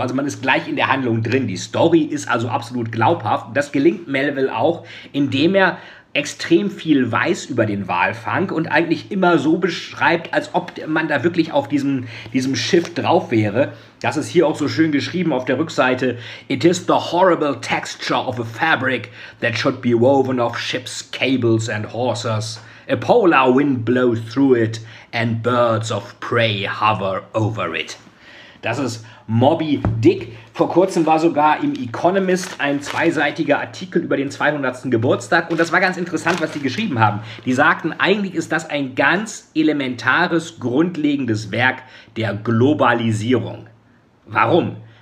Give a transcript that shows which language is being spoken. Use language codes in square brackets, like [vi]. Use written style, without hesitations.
[de] Also man ist gleich in der Handlung drin. Die Story ist also absolut glaubhaft. Das gelingt Melville auch, indem er extrem viel weiß über den Walfang und eigentlich immer so beschreibt, als ob man da wirklich auf diesem Schiff drauf wäre. Das ist hier auch so schön geschrieben auf der Rückseite. [en] It is the horrible texture of a fabric that should be woven of ships, cables and horses. A polar wind blows through it and birds of prey hover over it. [de] Das ist Moby Dick. Vor kurzem war sogar im Economist ein zweiseitiger Artikel über den 200. Geburtstag. Und das war ganz interessant, was die geschrieben haben. Die sagten, eigentlich ist das ein ganz elementares, grundlegendes Werk der Globalisierung. Warum?